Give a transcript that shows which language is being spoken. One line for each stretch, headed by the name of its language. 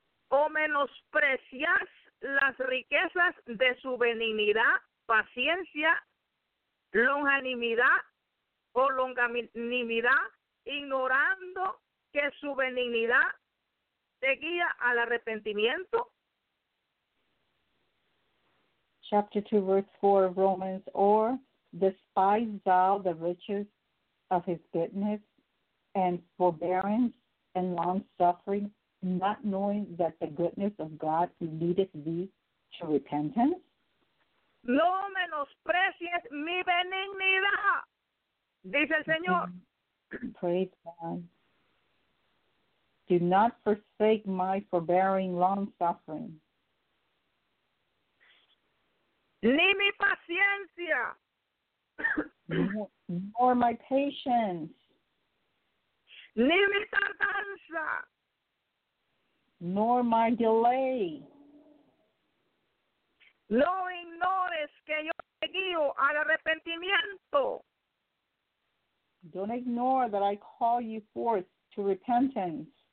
Spanish: ¿O menosprecias las riquezas de su benignidad, paciencia, longanimidad o longanimidad, ignorando que su benignidad te guía al arrepentimiento?
English: Chapter 2, verse 4 of Romans, or despise thou the riches of his goodness and forbearance and long-suffering, not knowing that the goodness of God leadeth thee to repentance?
Spanish: No menosprecies mi benignidad, dice el Señor.
English: Praise God. Do not forsake my forbearing long-suffering.
Spanish: Ni mi paciencia.
English: Nor my patience.
Spanish: Ni mi tardanza.
English: Nor my delay.
Spanish: No ignores que yo te guío al arrepentimiento.
English: Don't ignore that I call you forth to repentance.